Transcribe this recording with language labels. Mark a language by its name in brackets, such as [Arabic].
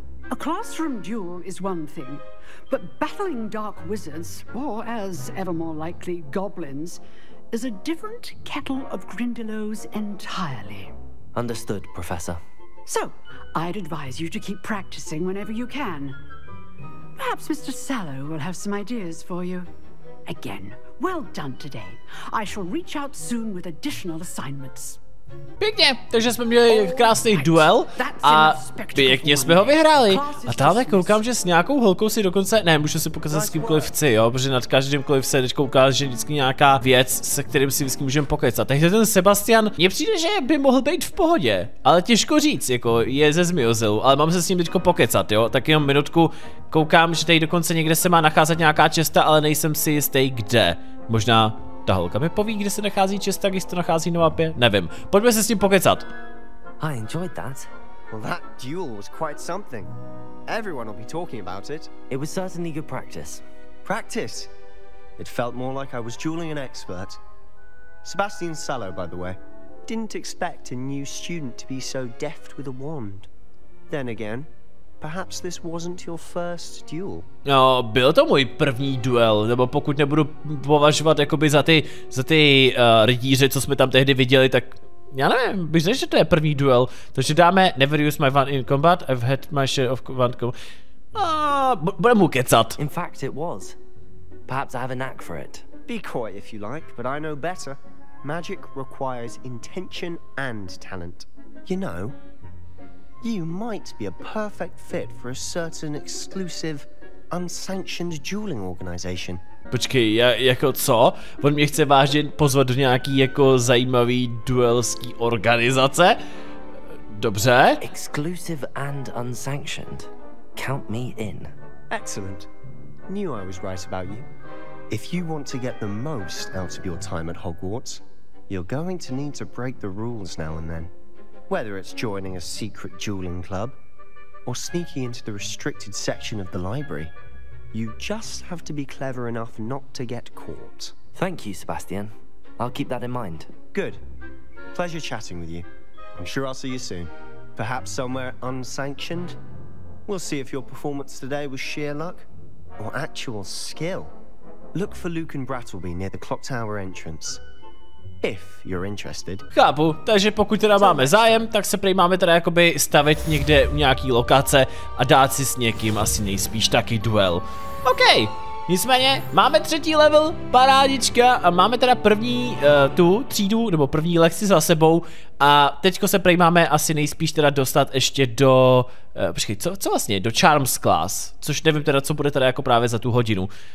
[English] A classroom duel is one thing, but battling dark wizards, or as ever more likely, goblins, is a different kettle of Grindelows entirely. Understood, Professor. So, I'd advise you to keep practicing whenever you can. Perhaps Mr. Sellow will have some ideas for you. Again, well done today. I shall reach out soon with additional assignments. [Czech] Pěkně, takže jsme měli krásný duel a pěkně jsme ho vyhráli. A tamhle koukám, že s nějakou holkou si dokonce, ne, můžu si pokecat s kýmkoliv chci, jo, protože nad každýmkoliv se teď kouká, že vždycky nějaká věc, se kterým si vždycky můžeme pokecat. Takže ten Sebastian, mně přijde, že by mohl být v pohodě, ale těžko říct, jako je ze Zmiozilu, ale mám se s ním teď pokecat, jo, tak jenom minutku koukám, že tady dokonce někde se má nacházet nějaká česta, ale nejsem si jistý, kde. Možná. Ta holka mi poví, kde se nachází česta, když to nachází na mapě? Nevím. Pojďme se s tím pokecat. [English] I enjoyed that. Well, that duel was quite something. Everyone will be talking about it. It was certainly good practice. Practice? It felt more like I was dueling an expert. Sebastian Sellow, by the way. Didn't expect a new student to be so deft with a wand. Then again, perhaps this wasn't your first duel. [Czech] No, byl to můj první duel, nebo pokud nebudu považovat jakoby za ty rytíře, co jsme tam tehdy viděli, tak já nevím, bych řekl, že to je první duel. Takže dáme [English] Never use my wand in combat, I've had my share of wand combat. [Czech] Budeme mu kecat. [English] In fact it was. Perhaps I have a knack for it. Be coy if you like, but I know better. Magic requires intention and talent. You know, you might be a perfect fit for a certain exclusive unsanctioned dueling organization. [Czech] Počkej, jako co? On mě chce vážně pozvat do nějaký jako zajímavý duelský organizace? Dobře. [English] Exclusive and unsanctioned. Count me in. Excellent. Knew I was right about you. If you want to get the most out of your time at Hogwarts, you're going to need to break the rules now and then. Whether it's joining a secret dueling club, or sneaking into the restricted section of the library, you just have to be clever enough not to get caught. Thank you, Sebastian. I'll keep that in mind. Good. Pleasure chatting with you. I'm sure I'll see you soon. Perhaps somewhere unsanctioned? We'll see if your performance today was sheer luck, or actual skill. Look for Luke and Brattleby near the clock tower entrance. If you're interested. [Czech] Chápu, takže pokud teda máme zájem, tak se prý máme teda jakoby stavit někde u nějaký lokace a dát si s někým asi nejspíš taky duel. Okej, nicméně máme třetí level, parádička, a máme teda první tu třídu, nebo první lekci za sebou a teďko se prý máme asi nejspíš teda dostat ještě do, počkej, co vlastně, do Charms Class, což nevím teda, co bude teda jako právě za tu hodinu.